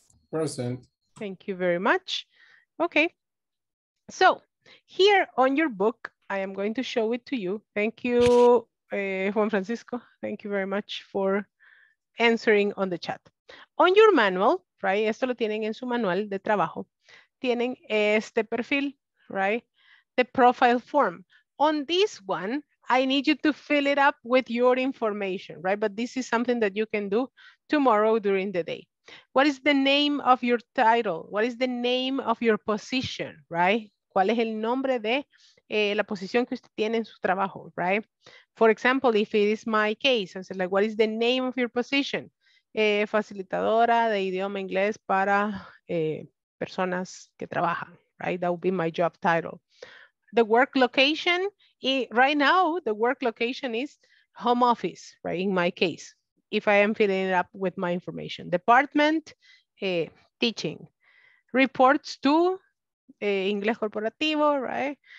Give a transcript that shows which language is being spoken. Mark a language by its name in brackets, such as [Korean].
[English] Present. Thank you very much. Okay. So here on your book, I am going to show it to you. Thank you, Juan Francisco. Thank you very much for answering on the chat. On your manual, right? [Spanish] Esto lo tienen en su manual de trabajo. Tienen este perfil, [English] right? The profile form. On this one, I need you to fill it up with your information, right? But this is something that you can do tomorrow during the day. What is the name of your title? What is the name of your position, right? [Spanish] ¿Cuál es el nombre de la posición que usted tiene en su trabajo, right? [English] For example, if it is my case, I said, like, what is the name of your position? [Spanish] Facilitadora de idioma inglés para personas que trabajan, right? [English] That would be my job title. The work location, right now, the work location is home office, right? In my case, if I am filling it up with my information. Department, teaching. Reports to, Inglés Corporativo, right?